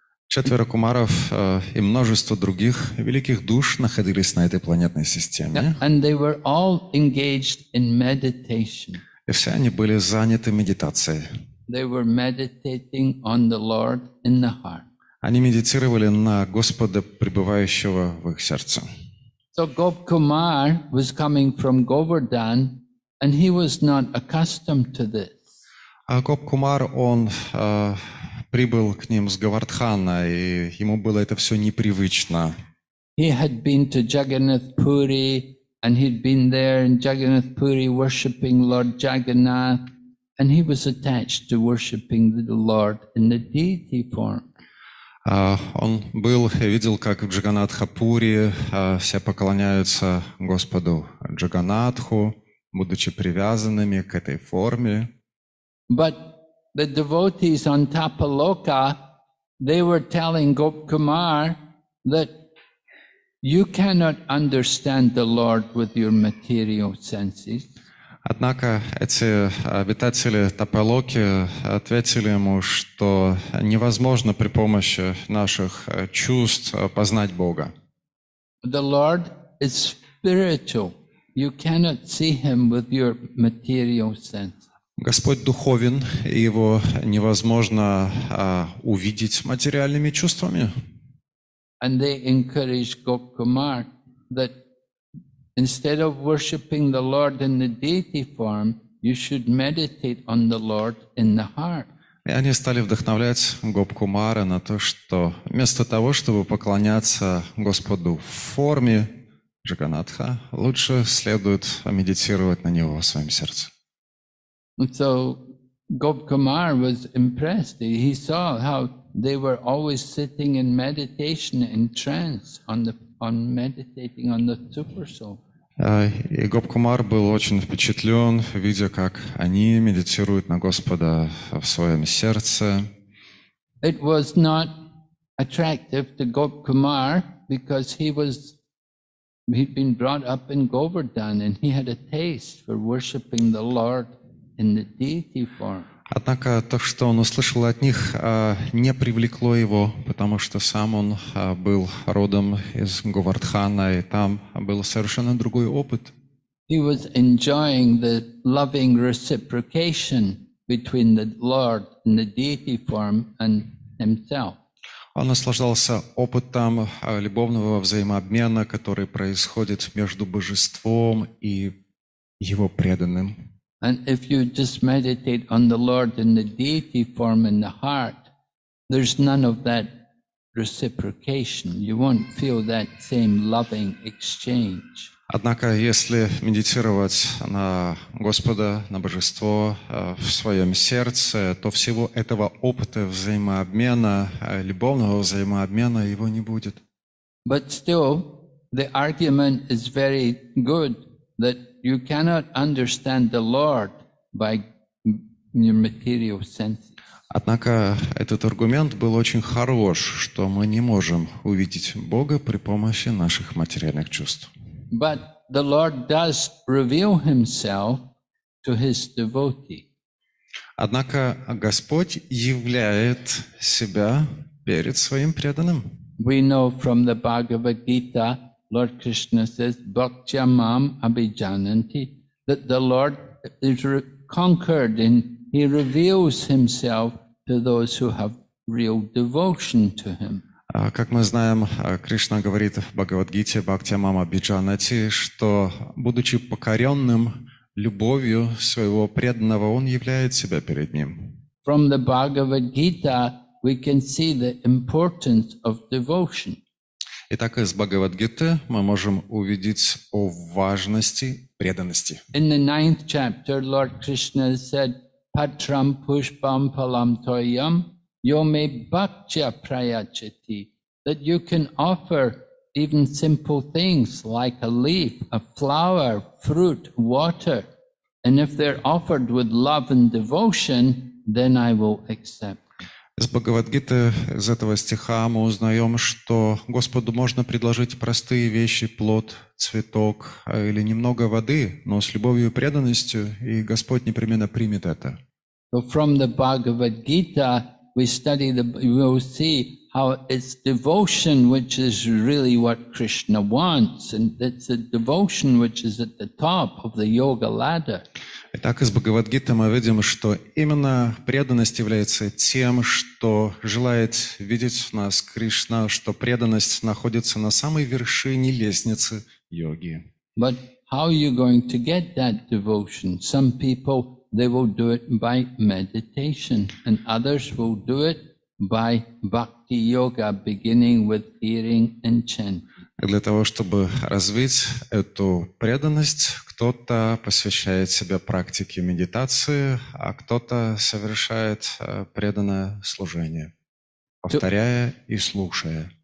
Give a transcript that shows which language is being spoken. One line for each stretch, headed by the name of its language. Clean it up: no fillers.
Russian: Четверо кумаров и множество других великих душ находились на этой планетной системе.
English: And they were all engaged in meditation.
Russian: И все они были заняты медитацией.
English: They were meditating on the Lord in the heart.
Russian: Они медитировали на Господа, пребывающего в их сердце.
English: So Gop Kumar was coming from Govardhan, and he was not accustomed to this.
Russian: А Gop Kumar, он прибыл к ним с Говардхана, и ему было это все непривычно.
English: He had been to Jagannath Puri, and he'd been there in Jagannath Puri worshiping Lord Jagannath. And he was attached to worshiping the Lord in the deity form.
Russian: Он был и видел, как в Джаганатхапуре все поклоняются Господу Джаганатху, будучи привязанными к этой форме.
English: But the devotees on Tapaloka, they were telling Gop Kumar that you cannot understand the Lord with your material senses.
Russian: Однако эти обитатели Тапалоки ответили ему, что невозможно при помощи наших чувств познать Бога.
English: The Lord is spiritual. You cannot see him with your material senses.
Russian: Господь духовен, и его невозможно увидеть материальными чувствами.
English: And they encouraged Gop Kumar that instead of worshiping the Lord in the deity form, you should meditate on the Lord in the heart.
Russian: И они стали вдохновлять Гоп-Кумара на то, что вместо того, чтобы поклоняться Господу в форме Джаганатха, лучше следует медитировать на Него в своем сердце.
English: So Gop-Kumar was impressed. He saw how they were always sitting in meditation, in trance, on meditating on the super soul.
Russian: И Гоп-Кумар был очень впечатлен, видя, как они медитируют на Господа в своем сердце.
English: It was not attractive to Gop-Kumar because he'd been brought up in Govardhan and he had a taste for worshiping the Lord in the deity form.
Russian: Однако то, что он услышал от них, не привлекло его, потому что сам он был родом из Говардхана, и там был совершенно другой опыт.
English: He was enjoying the loving reciprocation between the Lord in the deity form and himself.
Russian: Он наслаждался опытом любовного взаимообмена, который происходит между божеством и его преданным.
English: And if you just meditate on the Lord in the deity form in the heart, there's none of that reciprocation. You won't feel that same loving exchange.
Russian: Однако, если медитировать на Господа, на Божество в своем сердце, то всего этого опыта взаимообмена, любовного взаимообмена, его не будет.
English: But still, the argument is very good that you cannot understand the Lord by your material senses.
Russian: Однако этот аргумент был очень хорош, что мы не можем увидеть Бога при помощи наших материальных чувств.
English: But the Lord does reveal himself to his devotee.
Russian: Однако Господь являет себя перед своим преданным.
English: We know from the Bhagavad Gita Lord Krishna says,
Sanskrit: "Bhakti mam abhijananti,"
English: that the Lord is conquered and he reveals himself to those who have real devotion to him.
Russian: Как мы знаем, Кришна говорит в Бхагавад-гите,
Sanskrit: "Бхакти мам абхиджанати,"
Russian: что будучи покоренным любовью своего преданного, он являет себя перед ним.
English: From the Bhagavad-gita, we can see the importance of devotion.
Russian: Итак, из Бхагавад-гиты мы можем увидеть о важности преданности.
English: In the ninth chapter, Lord Krishna said,
Sanskrit: "Patram pushpam palam toyam yome bhakcha prayachati,"
English: that you can offer even simple things like a leaf, a flower, fruit, water, and if they're offered with love and devotion, then I will accept.
Russian: Из Бхагавад-гиты, из этого стиха мы узнаем, что Господу можно предложить простые вещи, плод, цветок или немного воды, но с любовью и преданностью, и Господь непременно примет это.
English: So from the Bhagavad-gita, we study the, we will see how it's devotion, which is really what Krishna wants, and it's a devotion which is at the top of the yoga ladder.
Russian: Итак, из Бхагавад-гиты мы видим, что именно преданность является тем, что желает видеть в нас Кришна, что преданность находится на самой вершине лестницы йоги.
English: But how are you going to get that devotion? Some people, they will do it by meditation, and others will do it by bhakti yoga, beginning with hearing and chanting.
Russian: Для того, чтобы развить эту преданность, кто-то посвящает себя практике медитации, а кто-то совершает преданное служение, повторяя и слушая.